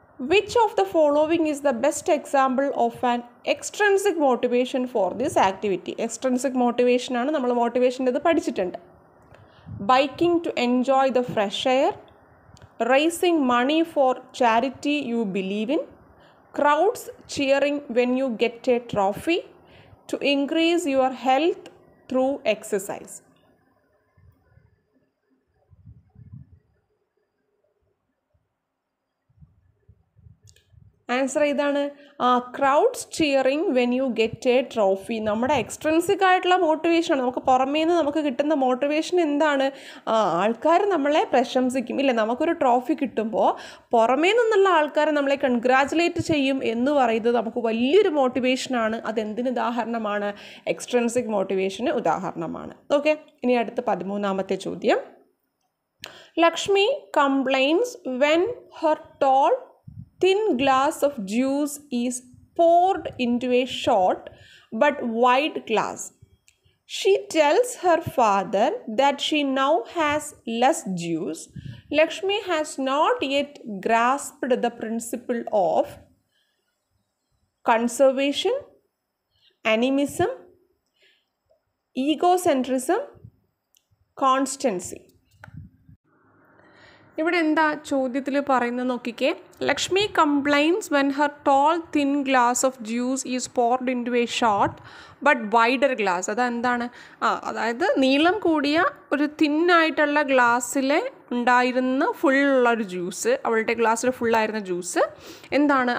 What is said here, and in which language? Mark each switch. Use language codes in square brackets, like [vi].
[en] Which of the following is the best example of an extrinsic motivation for this activity? [ml] Extrinsic motivation ആണ് നമ്മൾ മോട്ടിവേഷൻ്റെ പഠിച്ചിട്ടുണ്ട്. [en] Biking to enjoy the fresh air, raising money for charity you believe in, crowds cheering when you get a trophy, to increase your health through exercise. [ml] Answer ഏതാണ്? [en] ആ crowds cheering when you get a trophy, [ml] നമ്മുടെ extrinsic ആയിട്ടുള്ള മോട്ടിവേഷനാണ്. നമുക്ക് പുറമേ നിന്ന് നമുക്ക് കിട്ടുന്ന motivation എന്താണ്? ആൾക്കാർ നമ്മളെ പ്രശംസിക്കും, ഇല്ലേ? നമുക്കൊരു ട്രോഫി കിട്ടുമ്പോൾ പുറമേ നിന്നുള്ള ആൾക്കാർ നമ്മളെ കൺഗ്രാജുലേറ്റ് ചെയ്യും എന്ന് പറയുന്നത് നമുക്ക് വലിയൊരു മോട്ടിവേഷനാണ്. അതെന്തിന് ഉദാഹരണമാണ്? എക്സ്ട്രിൻസിക് മോട്ടിവേഷന് ഉദാഹരണമാണ്. ഓക്കെ, ഇനി അടുത്ത പതിമൂന്നാമത്തെ ചോദ്യം. [en] Lakshmi complains when her tall thin glass of juice is poured into a short but wide glass. She tells her father that she now has less juice. Lakshmi has not yet grasped the principle of conservation, animism, egocentrism, constancy. [ml] ഇവിടെ എന്താ ചോദ്യത്തിൽ പറയുന്നത് നോക്കിക്കേ. [en] Lakshmi complains when her tall thin glass of juice is poured into a short but wider glass. [ml] അതെന്താണ്? ആ അതായത് നീളം കൂടിയ ഒരു തിന്നായിട്ടുള്ള ഗ്ലാസ്സിലെ ഉണ്ടായിരുന്ന ഫുള്ളൊരു ജ്യൂസ്, അവളുടെ ഗ്ലാസ്സിൽ ഫുള്ളായിരുന്ന ജ്യൂസ് എന്താണ്?